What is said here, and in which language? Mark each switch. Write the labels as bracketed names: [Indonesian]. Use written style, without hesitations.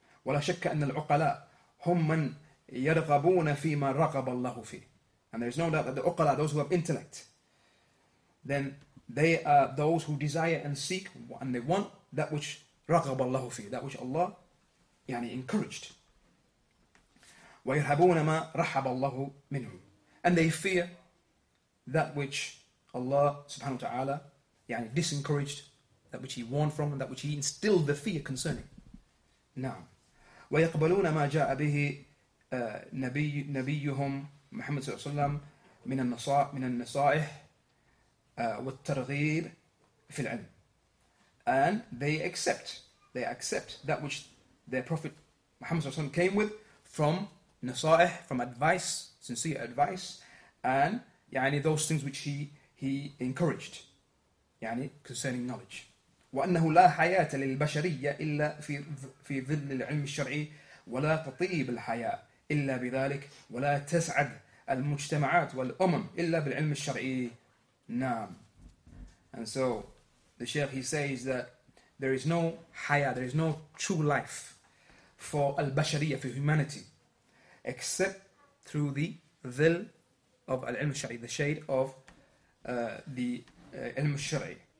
[Arabic] ولا شك أن العقلاء هم من يرغبون فيما رغب الله فيه. [English] And there is no doubt that the uqala, those who have intellect, then they are those who desire and seek and they want that which [Arabic] رغب الله فيه, [English] that which Allah [Arabic] يعني [English] encouraged. [Arabic] ويرهبون ما رحب الله منه, [English] and they fear that which Allah subhanahu wa ta'ala [Arabic] يعني [English] disencouraged, that which he warned from, and that which he instilled the fear concerning. [Arabic] نعم. ويقبلون ما جاء به نبيهم محمد صلى الله عليه وسلم من النصائح والترغيب في العلم. [English] And they accept that which their Prophet Muhammad [Arabic] صلى الله عليه وسلم [English] came with, from nasa'ih, from advice, sincere advice, and [Arabic] يعني [English] those things which he encouraged, يعني concerning knowledge. [Arabic] وأنه لا حياة للبشرية إلا في ظل العلم الشرعي ولا تطيب الحياة إلا بذلك ولا تسعد المجتمعات والأمم إلا بالعلم الشرعي. نعم. [English] And so the Sheikh, he says that there is no haya, there is no true life for al-bashariyah, for humanity, except through the dhil of al-ilm al-shari, the shade of the ilm al-shari.